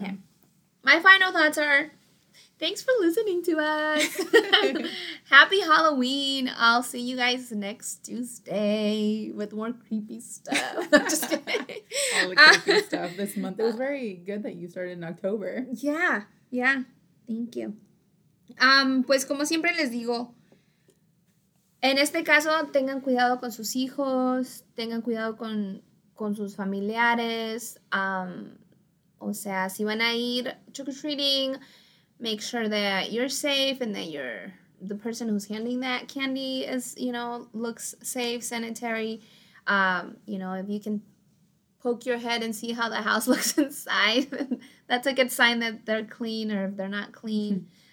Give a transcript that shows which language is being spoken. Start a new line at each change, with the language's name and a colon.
English: Okay. My final thoughts are, thanks for listening to us. Happy Halloween. I'll see you guys next Tuesday with more creepy stuff. All the creepy stuff this month. It was very good that you started in October. Yeah. Yeah. Thank you.
Spanish: Pues como siempre les digo, en este caso, tengan cuidado con sus hijos. Tengan cuidado con sus familiares. O sea, si van a ir
English: trick-or-treating, make sure that you're safe and that the person who's handing that candy is, you know, looks safe, sanitary. You know, if you can poke your head and see how the house looks inside, that's a good sign that they're clean or if they're not clean.